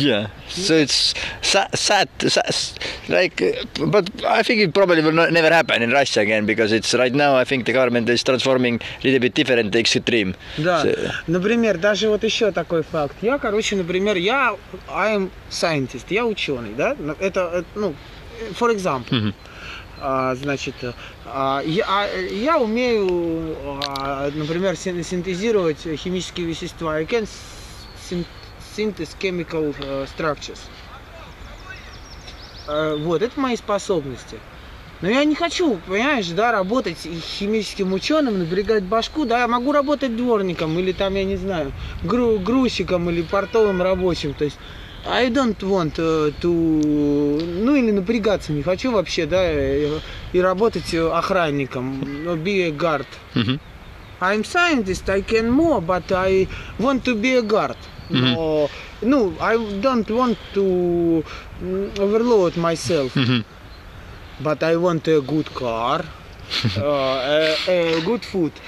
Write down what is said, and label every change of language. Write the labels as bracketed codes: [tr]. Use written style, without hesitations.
[en] Yeah, so it's sad, like, but I think it probably will never happen in Russia again, because it's right now, I think the government is transforming a little bit different extreme. [ru] Да, например, даже вот еще такой факт. Я, короче, например, я, [en] I am scientist, [ru] я ученый, да? Это, ну, [en] for example, [ru] значит, я умею, например, синтезировать химические вещества, [en] I can synthesize chemical structures. [ru] Вот, это мои способности. Но я не хочу, понимаешь, да, работать химическим ученым, напрягать башку, да, я могу работать дворником или там, я не знаю, грузчиком или портовым рабочим, то есть... [en] I don't want to... [ru] Ну, или напрягаться не хочу вообще, да, и работать охранником, [en] be a guard. Mm-hmm. I'm scientist, I can more, but I want to be a guard. Mm-hmm. Но, ну, I don't want to overload myself, mm-hmm. but I want a good car, a good food.